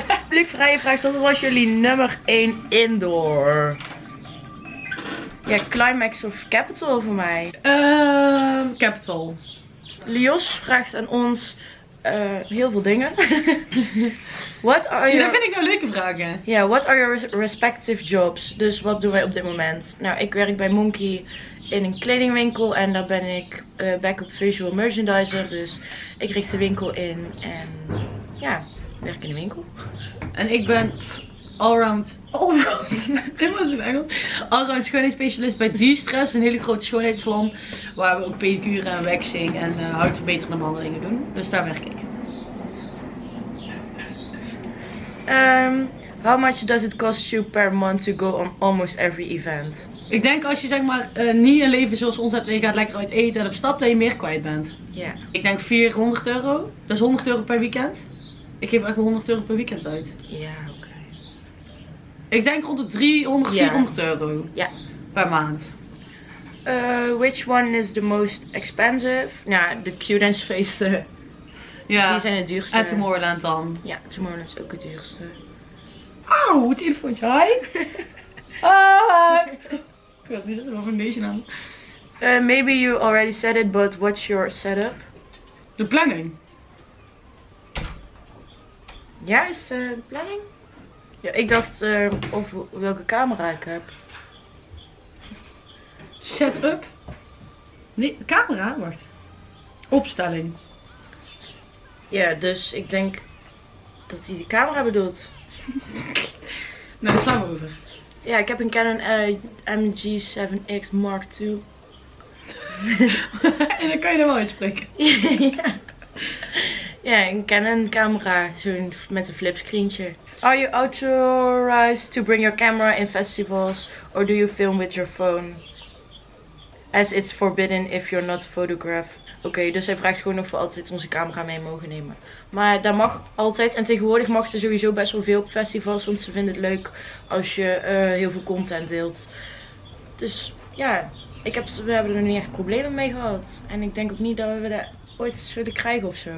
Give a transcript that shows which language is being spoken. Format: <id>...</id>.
<nl>Luc Vrijen vraagt, wat was jullie nummer 1 indoor? Ja, Climax of Capital voor mij? Capital. Lios vraagt aan ons... heel veel dingen.</nl> <en>What are</en> <nl>Dat vind ik nou leuke vragen. Ja,</nl> <en>yeah, what are your respective jobs?</en> <nl>Dus wat doen wij op dit moment? Nou, ik werk bij Monkey in een kledingwinkel en daar ben ik backup visual merchandiser. Dus ik richt de winkel in en ja, werk in de winkel. En ik ben allround. Dit was in Engels. Allround schoonheidsspecialist bij De-Stress, een hele grote schoonheidssalon. Waar we ook pedicure en waxing en huidverbeterende behandelingen doen. Dus daar werk ik.</nl> <en>How much does it cost you per month to go on almost every event?</en> <nl>Ik denk als je zeg maar niet een leven zoals ons hebt en je gaat lekker uit eten en op stap, dat je meer kwijt bent. Ja. Yeah. Ik denk 400 euro. Dat is 100 euro per weekend. Ik geef echt 100 euro per weekend uit. Ja. Yeah. Ik denk rond de 300, 400 euro per maand.</nl> <en>Which one is the most expensive?</en> <nl>Nou, yeah, de Q-dance feesten. Yeah. Die zijn het duurste. En Tomorrowland dan. Ja, Tomorrowland is ook het duurste. Auw, het telefoontje, hi! Hi! Ik wil niet zeggen, wat voor deze naam?</nl> <en>Maybe you already said it, but what's your setup?</en> <nl>De planning. Ja, is de planning? Ja, ik dacht of welke camera ik heb. Setup? Nee, camera? Wacht. Opstelling. Ja, dus ik denk dat hij de camera bedoelt. Nee, slaan we over. Ja, ik heb een Canon MG 7X Mark II. En dan kan je er wel uitspreken. Ja, een Canon camera, zo'n met een flipscreentje.</nl> <en>Are you authorized to bring your camera in festivals or do you film with your phone? As it's forbidden if you're not photographed.</en> <nl>Oké, dus hij vraagt gewoon of we altijd onze camera mee mogen nemen. Maar dat mag altijd en tegenwoordig mag er sowieso best wel veel op festivals, want ze vinden het leuk als je heel veel content deelt. Dus ja, we hebben er niet echt problemen mee gehad. En ik denk ook niet dat we dat ooit zullen krijgen ofzo.</nl>